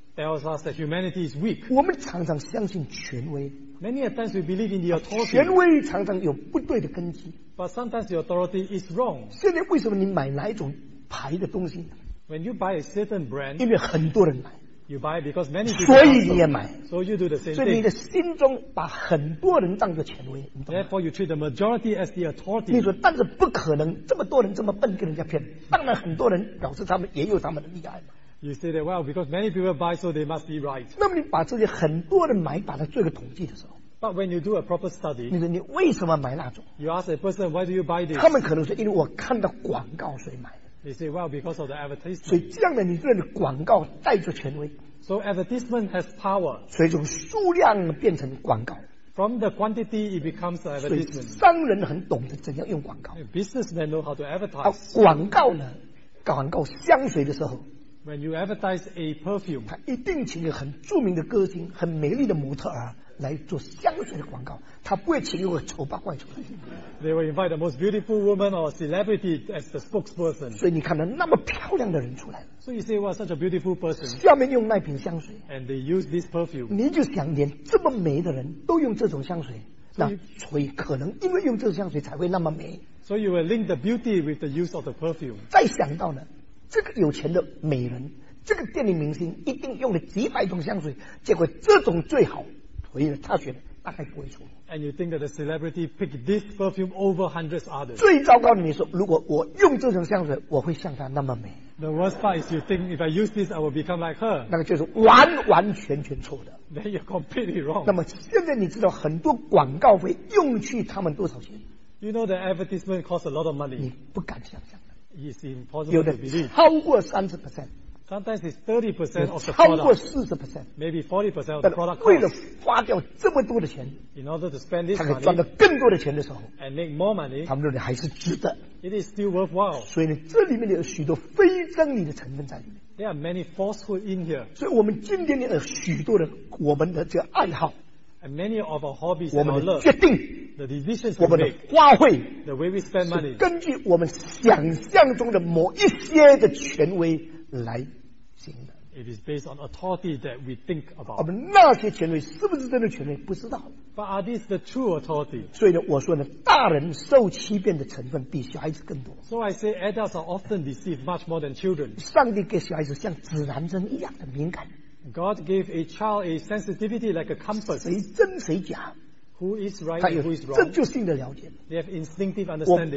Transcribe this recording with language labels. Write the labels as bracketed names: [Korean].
[English] Tells us that humanity is weak. [Chinese] 我们常常相信权威。 [English] Many a times we believe in the authority. [Chinese] 权威常常有不对的根基。 [English] But sometimes the authority is wrong. [Chinese] 现在为什么你买哪一种牌的东西 [English] ？When you buy a certain brand, [Chinese] 因为很多人买。 [English] You buy because many people. [Chinese] 所以你也买。 [English] So you do the same. [Chinese] 所以你的心中把很多人当作权威。 [English] Therefore you treat the majority as the authority. [Chinese] 你说但是不可能，这么多人这么笨跟人家骗，当然很多人表示他们也有他们的厉害嘛。 [English] You say that well because many people buy, so they must be right. [Chinese] 那么你把这些很多人买，把它做个统计的时候。 [English] But when you do a proper study, [Chinese] 你说你为什么买蜡烛 [English] ？You ask a person why do you buy this? [Chinese] 他们可能说因为我看到广告谁买。 [English] They say well because of the advertisement. [Chinese] 所以这样的你认为广告带着权威。 [English] So advertisement has power. [Chinese] 所以从数量变成广告。 [English] From the quantity, it becomes the advertisement. [Chinese] 所以商人很懂得怎样用广告。 [English] Businessmen know how to advertise. [Chinese] 广告呢？广告香水的时候。 [English] When you advertise a perfume, [Chinese] 他一定请一个很著名的歌星、很美丽的模特儿来做香水的广告，他不会请一个丑八怪出来。 [English] They will invite the most beautiful woman or celebrity as the spokesperson. [Chinese] 所以你看到那么漂亮的人出来了。 [English] So you say, well, such a beautiful person. [Chinese] 下面用那瓶香水。 [English] And they use this perfume. [Chinese] 你就想，连这么美的人都用这种香水，那所以可能因为用这种香水才会那么美。 [English] So you will link the beauty with the use of the perfume. [Chinese] 再想到呢？这个有钱的美人，这个电影明星一定用了几百种香水，结果这种最好，所以他选大概不会错。 [English] And you think that the celebrity picked this perfume over hundreds others? [Chinese] 最糟糕的你说，如果我用这种香水，我会像她那么美。 [English] The worst part is you think if I use this, I will become like her. [Chinese] 那个就是完完全全错的。 [English] Then you're completely wrong. [Chinese] 那么现在你知道很多广告费用去他们多少钱 [English] ？You know the advertisement costs a lot of money. [Chinese] 你不敢想象。 [English] It's impossible [Chinese] 有的超过 30%， [English] sometimes it's 30% of the product， [Chinese] 超过 40%， [English] maybe 40% of the product cost。 [Chinese] 为了花掉这么多的钱， [English] in order to spend this money， [Chinese] 他可以赚到更多的钱的时候， [English] and make more money， [Chinese] 他们认为还是值得。 [English] It is still worthwhile。 [Chinese] 所以呢，这里面有许多非真理的成分在里面。 [English] There are many falsehood in here。 [Chinese] 所以我们今天有许多的我们的这个爱好。 [English] And many of our hobbies, [Chinese] 我们的决定 [English] the decisions [Chinese] 我们的花费 [English] the way we spend money, [Chinese] 是根据我们想象中的某一些的权威来行的 [English] It is based on authority that we think about. [Chinese] 我们那些权威是不是真的权威不知道 [English] But are these the true authority? [Chinese] 所以呢我说呢大人受欺骗的成分比小孩子更多 [English] So I say adults are often deceived much more than children. [Chinese] 上帝给小孩子像指南针一样的敏感 [English] God gave a child a sensitivity like a compass. [Chinese] 谁真谁假 [English] ？Who is right and who is wrong？ [Chinese] 这就是性的了解。 [English] They have instinctive understanding.